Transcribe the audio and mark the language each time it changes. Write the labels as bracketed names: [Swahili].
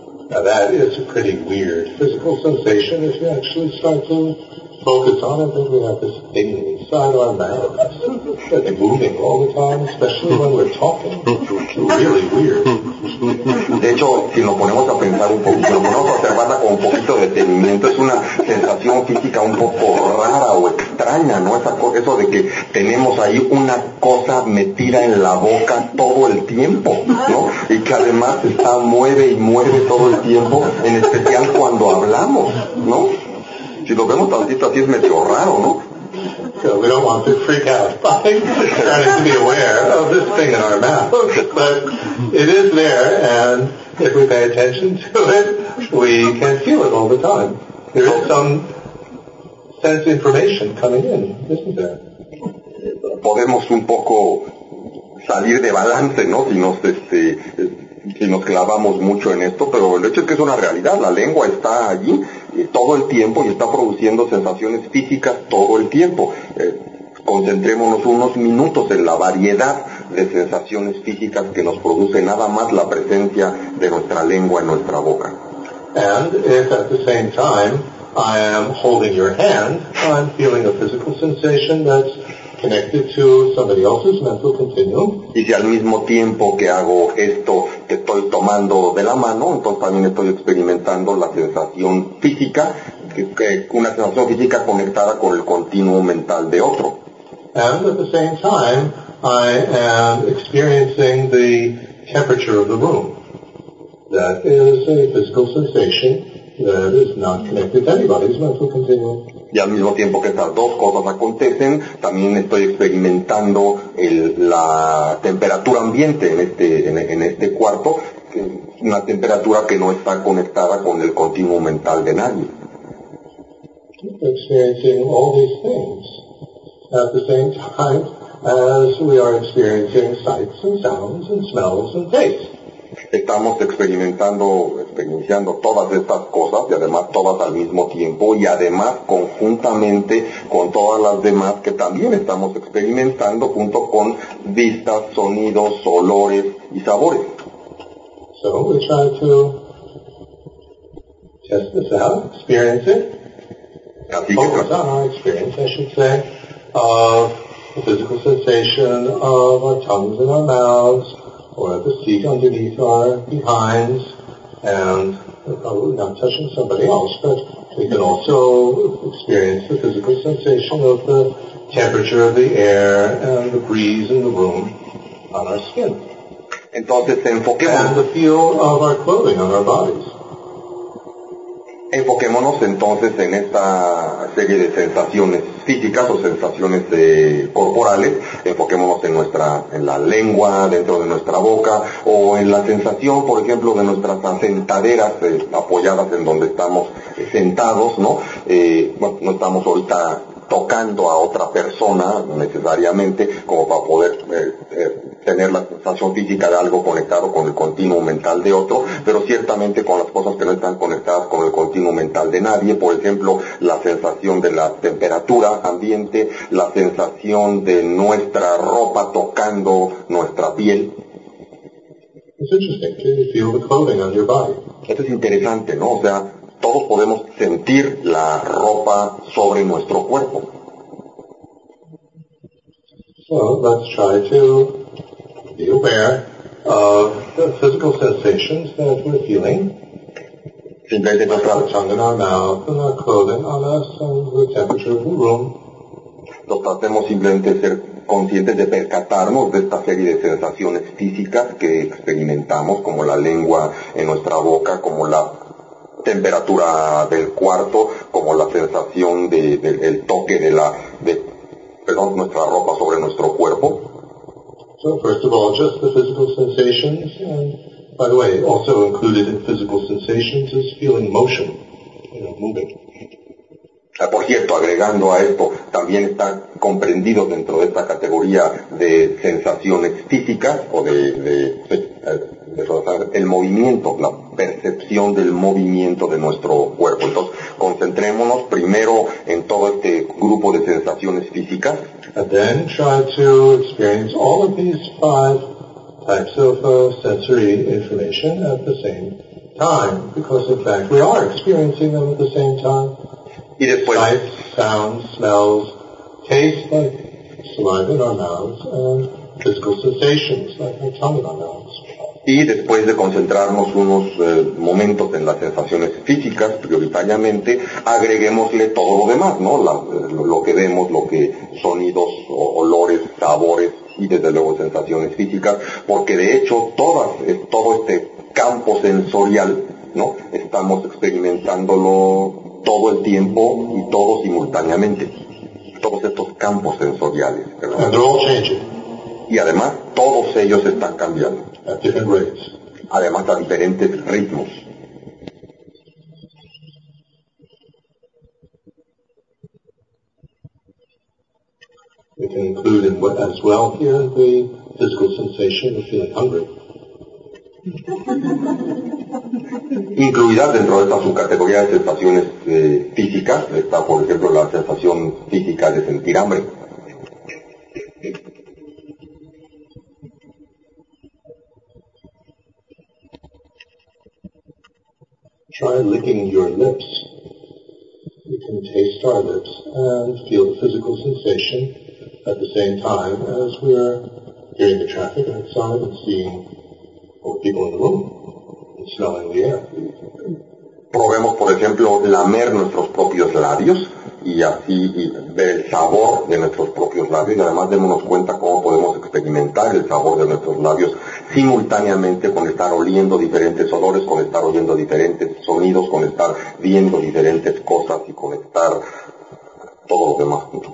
[English] Now that is a pretty weird physical sensation. If you actually start to focus on it, then we have this thing inside our mouths. that are moving all the time, especially when we're talking. It's really weird. [Spanish] De hecho, si nos ponemos a pensar un poquito, nos ponemos a observarla con un poquito de detenimiento, es una sensación física un poco rara o extraña, ¿no? Esa cosa, eso de que tenemos ahí una cosa metida en la boca todo el tiempo, ¿no? Y que además está mueve y mueve todo el tiempo, en especial cuando hablamos, ¿no? Si lo vemos tantito así es medio raro, ¿no? [English] So we don't want to freak out by trying to be aware of this thing in our mouth. But it is there, and if we pay attention to it, we can feel it all the time. There is some sense information coming in, isn't there? [Spanish] Podemos un poco salir de balance, ¿no? Si nos, si nos clavamos mucho en esto, pero el hecho es que es una realidad, la lengua está allí todo el tiempo y está produciendo sensaciones físicas todo el tiempo. Concentrémonos unos minutos en la variedad de sensaciones físicas que nos produce nada más la presencia de nuestra lengua en nuestra boca. [English] And if at the same time I am holding your hand, I'm feeling a physical sensation that's connected to somebody else's mental continuum. [Spanish] Y si al mismo tiempo que hago esto, te estoy tomando de la mano, entonces también estoy experimentando la sensación física, una sensación física conectada con el continuo mental de otro. [English] And at the same time, I am experiencing the temperature of the room. That is a physical sensation that is not connected to anybody's mental continuum. [Spanish] Y al mismo tiempo que estas dos cosas acontecen, también estoy experimentando la temperatura ambiente en este cuarto, una temperatura que no está conectada con el continuo mental de nadie. [English] Experiencing all these things at the same time as we are experiencing sights and sounds and smells and tastes. [Spanish] Estamos experienciando todas estas cosas y además todas al mismo tiempo y además conjuntamente con todas las demás que también estamos experimentando junto con vistas, sonidos, olores y sabores. [English] So we try to test this out, experience it. [Spanish] Así que [English] focus on our experience, I should say, of the physical sensation of our tongues and our mouths, or the seat underneath our behinds, and probably not touching somebody else, but we can also experience the physical sensation of the temperature of the air and the breeze in the room on our skin. [Spanish] Entonces, enfoquémonos. [English] And the feel of our clothing on our bodies. [Spanish] Enfoquémonos entonces en esta serie de sensaciones físicas o sensaciones corporales, enfoquémonos en la lengua dentro de nuestra boca o en la sensación, por ejemplo, de nuestras sentaderas apoyadas en donde estamos sentados, ¿no? Bueno, no estamos ahorita tocando a otra persona necesariamente como para poder tener la sensación física de algo conectado con el continuo mental de otro, pero ciertamente con las cosas que no están conectadas con el continuo mental de nadie, por ejemplo, la sensación de la temperatura ambiente, la sensación de nuestra ropa tocando nuestra piel. [English] It's interesting. Can you feel the clothing on your body? [Spanish] Esto es interesante, ¿no? O sea, todos podemos sentir la ropa sobre nuestro cuerpo. [English] So, let's try to be aware of the physical sensations that we're feeling. [Spanish] Simplemente [English] our tongue in our mouth and our clothing on us and the temperature of the room. [Spanish] Nos tratemos simplemente de ser conscientes, de percatarnos de esta serie de sensaciones físicas que experimentamos, como la lengua en nuestra boca, como la temperatura del cuarto, como la sensación del toque de nuestra ropa sobre nuestro cuerpo. [English] So first of all, just the physical sensations, and by the way, also included in physical sensations is feeling motion, moving. [Spanish] Por cierto, agregando a esto, también está comprendido dentro de esta categoría de sensaciones físicas o el movimiento, la percepción del movimiento de nuestro cuerpo. Entonces, concentrémonos primero en todo este grupo de sensaciones físicas. [English] And then try to experience all of these five types of sensory information at the same time, because in fact we are experiencing them at the same time. [Spanish] Y después, [English] sights, sounds, smells, taste, like saliva in our mouths and physical sensations like my tongue in our mouths. [Spanish] Y después de concentrarnos unos momentos en las sensaciones físicas, prioritariamente, agreguémosle todo lo demás, ¿no? Lo que vemos, lo que sonidos, olores, sabores y desde luego sensaciones físicas, porque de hecho todo este campo sensorial, ¿no? Estamos experimentándolo todo el tiempo y todo simultáneamente. Todos estos campos sensoriales, ¿verdad? Y además, todos ellos están cambiando. [English] At different rates. [Spanish] Además, a diferentes ritmos. [English] We can include in what as well here the physical sensation of feeling hungry. [Spanish] Incluida dentro de esta subcategoría de sensaciones físicas, está por ejemplo la sensación física de sentir hambre. [English] Try licking your lips. We can taste our lips and feel the physical sensation at the same time as we are hearing the traffic outside and seeing all people in the room and smelling the air. [Spanish] Probemos, por ejemplo, lamer nuestros propios labios y así y ver el sabor de nuestros propios labios y además démonos cuenta cómo podemos experimentar el sabor de nuestros labios simultáneamente con estar oliendo diferentes olores, con estar oyendo diferentes sonidos, con estar viendo diferentes cosas y con estar todo lo demás.